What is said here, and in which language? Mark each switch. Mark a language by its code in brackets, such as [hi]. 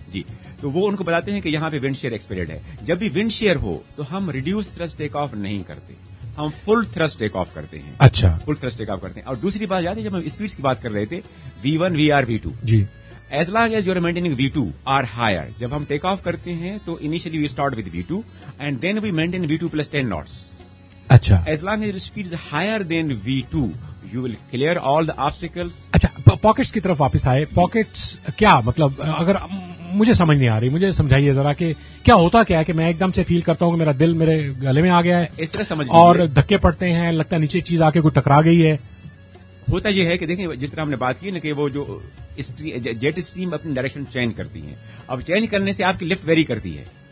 [ur] جی تو وہ ان کو بتاتے ہیں کہ یہاں پہ ونڈ شیئر ایکسپیریڈ ہے. جب بھی ونڈ شیئر ہو تو ہم ریڈیوس تھرسٹ ٹیک آف نہیں کرتے ہم فل تھرسٹ ٹیک آف کرتے ہیں. اچھا فل تھرسٹ ٹیک آف کرتے ہیں. اور دوسری بات یاد ہے جب ہم اسپیڈ کی بات کر رہے تھے وی one we are we to جی [en] as long as you are maintaining V two or higher [ur] جب ہم ٹیک آف کرتے ہیں تو [en] Initially we start with V two and then we maintain V two plus 10 knots. [ur] اچھا [en] As long as speed is higher than V two you will clear all the obstacles. [ur] اچھا pockets کی طرف واپس آئے pockets کیا مطلب اگر مجھے سمجھ نہیں آ رہی مجھے سمجھائیے ذرا کہ کیا ہوتا کیا ہے کہ میں ایک دم سے فیل کرتا ہوں کہ میرا دل میرے گلے میں آ گیا ہے اس طرح سمجھ اور دھکے پڑتے ہیں لگتا ہے نیچے چیز آ کے کوئی ٹکرا گئی ہے. ہوتا یہ ہے کہ دیکھیں جس طرح ہم نے بات کی نا کہ وہ جو جیٹ اسٹریم اپنی ڈائریکشن چینج کرتی ہیں اب چینج کرنے سے آپ کی لفٹ ویری کرتی ہے.